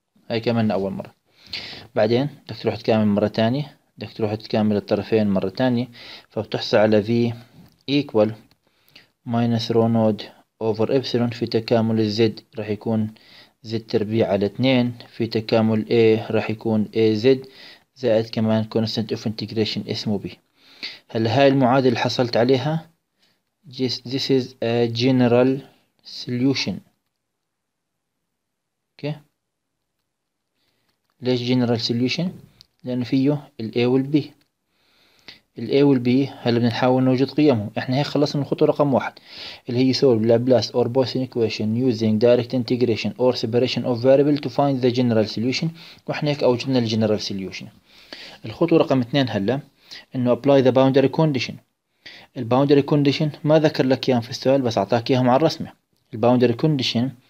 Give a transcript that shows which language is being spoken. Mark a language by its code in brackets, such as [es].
[ar] هاي كملنا أول مرة، بعدين بدك تروح تكامل مرة تانية، بدك تروح تكامل الطرفين مرة تانية، فبتحصل على [en] v equal minus rho node over epsilon [ar] في تكامل الزد راح يكون زد تربيع على 2، في تكامل a راح يكون a زد زائد كمان [en] constant of integration [ar] اسمه b. هل هاي المعادلة اللي حصلت عليها [en] this is a general solution. okay. [ar] ليش general solution؟ لأنه فيه ال a وال b. ال A وال B هل بنحاول نوجد قيمهم؟ احنا هيك خلصنا من خطوة رقم واحد اللي هي [en] solve Laplace or Boyesian equation using direct integration or separation of variable to find the general solution، [ar] واحنا هيك اوجدنا ال general solution. الخطوة رقم اثنين هلا انه [en] apply the boundary condition. [ar] ال boundary condition ما ذكر لك اياهم في السؤال بس اعطاك اياهم على الرسمة. ال boundary condition